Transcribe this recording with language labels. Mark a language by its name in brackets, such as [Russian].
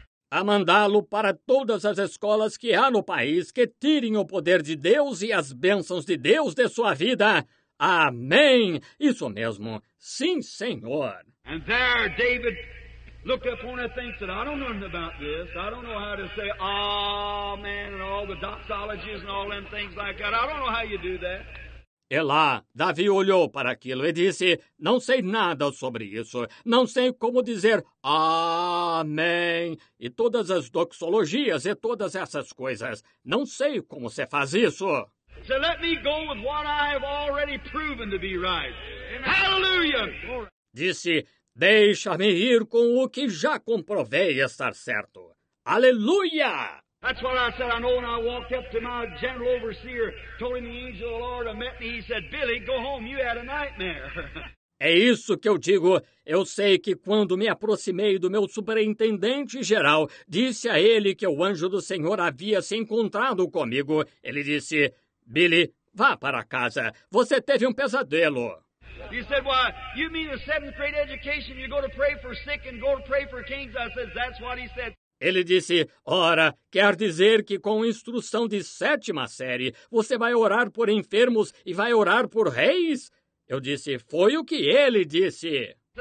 [Portuguese] A mandá-lo para todas as escolas que há no país que tirem o poder de Deus e as bênçãos de Deus de sua vida. Amém! Isso mesmo. Sim, Senhor. [English] And there David looked up on a thing and said, I don't know nothing about this. I don't know how to say amen and all the doxologies and all them things like that. I don't know how you do that. [Portuguese] E lá, Davi olhou para aquilo e disse, não sei nada sobre isso, não sei como dizer amém, e todas as doxologias e todas essas coisas, não sei como se faz isso. [English] So let me go with what I have already proven to be right. Hallelujah! [Portuguese] Disse, deixa-me ir com o que já comprovei estar certo. Aleluia! [English] That's what I said. I know when I walked up to my general overseer, told him the angel of the Lord had met me, he said, Billy, go home, you had a nightmare. [Portuguese] É isso que eu digo. Eu sei que quando me aproximei do meu superintendente geral, disse a ele que o anjo do Senhor havia se encontrado comigo. Ele disse, Billy, vá para casa. Você teve um pesadelo. [English] He said, why, you mean a seventh grade education, you go to pray for sick and go to pray for kings? I said, that's what he said. [Portuguese] Ele disse, ora, quer dizer que com instrução de sétima série, você vai orar por enfermos e vai orar por reis? Eu disse, foi o que ele disse.